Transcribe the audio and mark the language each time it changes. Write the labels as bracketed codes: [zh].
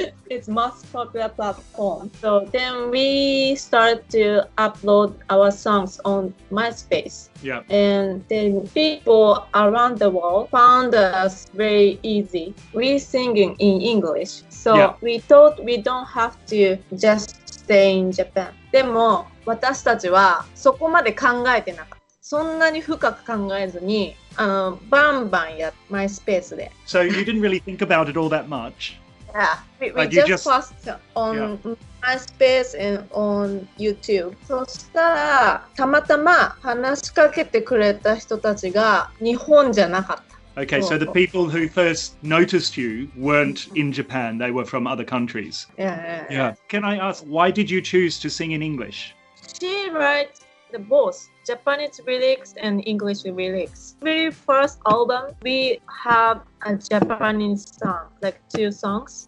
[en] It's most popular platform. So then we started to upload our songs on MySpace. Yeah. And then people around the world found us very easy. We singing in English. So we thought we don't have to just stay in Japan. [ja] でも私たちはそこまで考えてなかった。そんなに深く考えずに、バンバンやっ、マイスペースで。 [en] So you didn't really think about it all that much? Yeah, we just posted on MySpace and on YouTube. [ja] そしたら、たまたま話しかけてくれた人たちが日本じゃなかった。 [en] Okay, so the people who first noticed you weren't in Japan, they were from other countries. Yeah. Can I ask, why did you choose to sing in English? She writes the both, Japanese lyrics and English lyrics. Very first album, we have a Japanese song, like two songs.